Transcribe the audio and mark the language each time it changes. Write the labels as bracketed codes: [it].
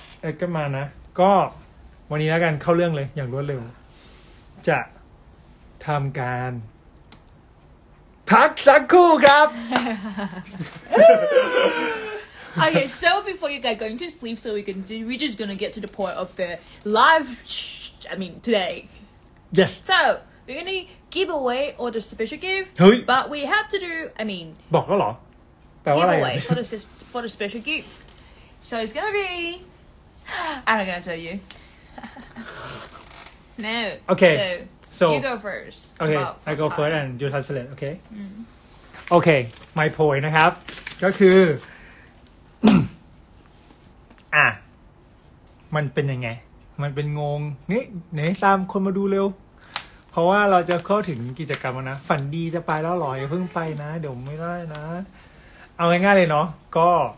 [th] เอ็ดก็มานะก็วันนี้แล้วกันเข้าเรื่องเลยอย่างรวดเร็วจะทำการพักสักครู่ครับ [en] Okay, so before you get going to sleep, so we can do, we're just gonna get to the point of the live, I mean, today. Yes. So, we're gonna give away all the special gift, but we have to do, I mean, giveaway for the special gift. So it's gonna be, I'm not gonna tell you. No. Okay. So, you go first. Okay, I go first and you translate, okay? Okay, my point, [th] นะครับก็คืออ่ะมันเป็นยังไงมันเป็นงงนี่ไหนตามคนมาดูเร็วเพราะว่าเราจะเข้าถึงกิจกรรมนะฝันดีจะไปแล้วหรออย่าเพิ่งไปนะเดี๋ยวไม่ได้นะเอาง่ายๆเลยเนาะก็